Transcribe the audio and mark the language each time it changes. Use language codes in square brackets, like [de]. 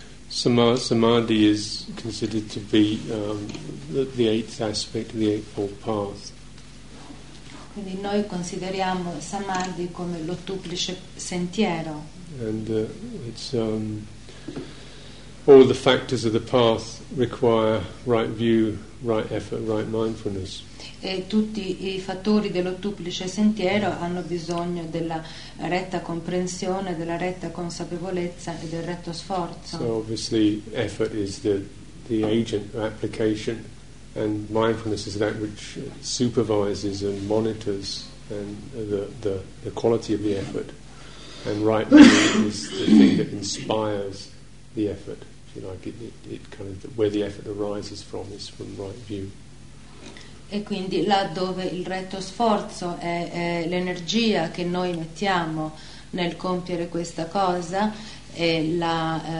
[en] Samadhi is considered to be the eighth aspect of the Eightfold Path. [it] Quindi noi consideriamo Samadhi come l'ottuplice sentiero. [en] And it's all the factors of the path require right view, right effort, right mindfulness. [it] E tutti i fattori dell'ottuplice sentiero hanno bisogno della retta comprensione, della retta consapevolezza e del retto sforzo. [en] So obviously effort is the agent of application. And mindfulness is that which supervises and monitors and the quality of the effort. And right is the thing that inspires the effort, if you like. It kind of, where the effort arises from is from right view. [it] E quindi là dove il retto sforzo è l'energia che noi mettiamo nel compiere questa cosa, è la